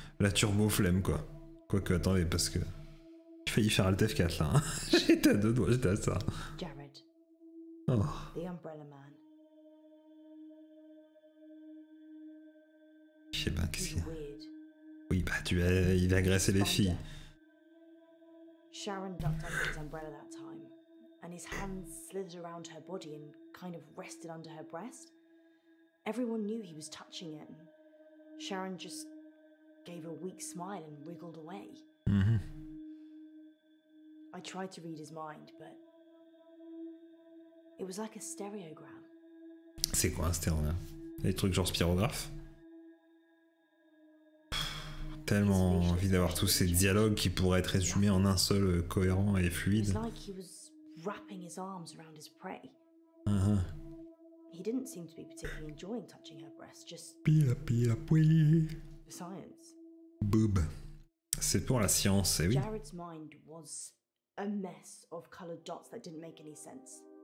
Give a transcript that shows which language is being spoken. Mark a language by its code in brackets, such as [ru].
[fr] La turbo-flemme, quoi. Quoique, attendez, parce que... J'ai failli faire Alt F4, là. Hein. J'étais à deux doigts, j'étais à ça. [en] Jared. Oh. The Umbrella Man. [fr] Je sais pas, qu'est-ce qu'il y a. Oui, bah, tu as, il a agressé les filles. [en] Sharon ducked under his umbrella that time, and his hands slithered around her body and kind of rested under her breast. Everyone knew he was touching it. Sharon just gave a weak smile and wriggled away. Mm-hmm. I tried to read his mind, but it was like a stereogram. [fr] C'est quoi un stéréogramme? Des trucs genre spirographe? Tellement envie d'avoir tous ces dialogues qui pourraient être résumés en un seul cohérent et fluide. [en] It's like he was wrapping his arms around his prey. He didn't seem to be particularly enjoying touching her breast, just pila pila pui. The science. [fr] Boob. C'est pour la science, eh oui. [en] Jared's mind was a mess of colored dots that didn't make any sense.